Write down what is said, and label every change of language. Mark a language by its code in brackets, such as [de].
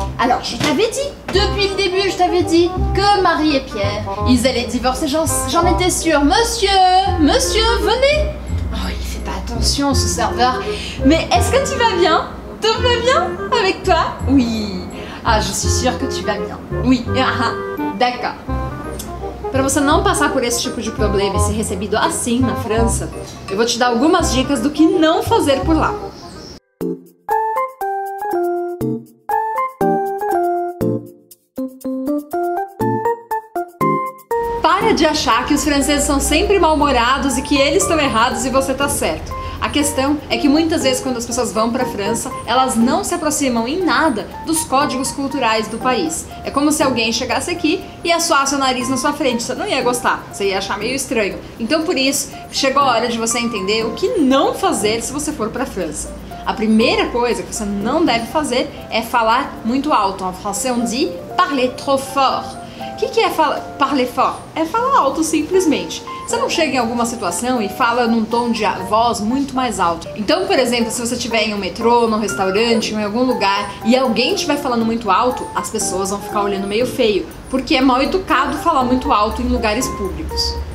[fr] Alors, je t'avais dit, depuis le début, je t'avais dit que Marie et Pierre, ils allaient divorcer, j'en étais sûre. Monsieur! Monsieur, venez! Oh, il fait pas attention, ce serveur. Mais est-ce que tu vas bien? Tu vas bien avec toi? Oui. Ah, je suis sûre que tu vas bien. Oui. Ah, d'accord. [pt] Para você não passar por esse tipo de problema e ser recebido assim na França, eu vou te dar algumas dicas do que não fazer por lá. Para de achar que os franceses são sempre mal-humorados e que eles estão errados e você está certo. A questão é que muitas vezes quando as pessoas vão para a França, elas não se aproximam em nada dos códigos culturais do país. É como se alguém chegasse aqui e assoasse o nariz na sua frente. Você não ia gostar, você ia achar meio estranho. Então por isso, chegou a hora de você entender o que não fazer se você for para a França. A primeira coisa que você não deve fazer é falar muito alto. [fr] En français, on dit parler trop fort. [pt] O que, que é [fr] parler fort? [pt] É falar alto simplesmente. Você não chega em alguma situação e fala num tom de voz muito mais alto. Então, por exemplo, se você estiver em um metrô, num restaurante, em algum lugar, e alguém estiver falando muito alto, as pessoas vão ficar olhando meio feio, porque é mal educado falar muito alto em lugares públicos.